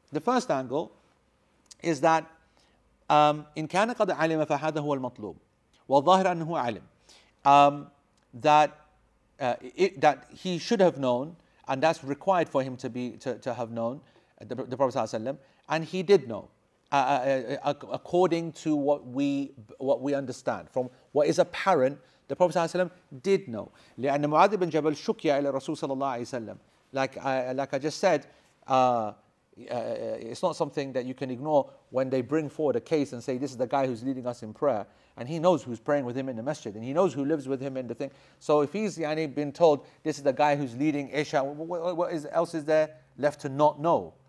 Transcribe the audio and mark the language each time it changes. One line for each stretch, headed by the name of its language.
English: The first angle is that in
Arabic: كان قد علم فهذا هو المطلوب والظاهر أنه علم
English: that he should have known, and that's required for him to be to have known the Prophet sallallahu alaihi wasallam, and he did know according to what we understand from what is apparent. The Prophet sallallahu alaihi wasallam did know.
Arabic: لأن معاذ بن جبل شكي إلى الرسول صلى الله عليه وسلم.
English: Like I just said, it's not something that you can ignore when they bring forward a case and say, this is the guy who's leading us in prayer, and he knows who's praying with him in the masjid, and he knows who lives with him in the thing. So if he's been told, this is the guy who's leading Isha, what else is there left to not know?